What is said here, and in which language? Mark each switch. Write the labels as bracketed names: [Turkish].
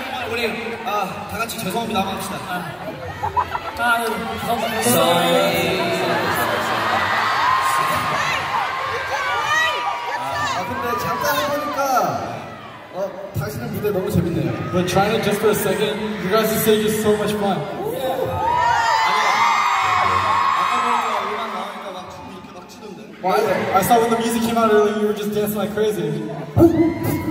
[Korean] 우리 아 다 같이 죄송합니다 한번 합시다. 아, 죄송합니다. 아 근데 잠깐 해보니까 당신의 무대 너무 재밌네요. [English] But trying it just for a second, you guys are saying it's so much fun. [Korean] 아니야. 아까 보니까 음악 나오니까 막 춤 이렇게 막 추던데. [English] Why? I saw when the music came out earlier, you were just dancing like crazy.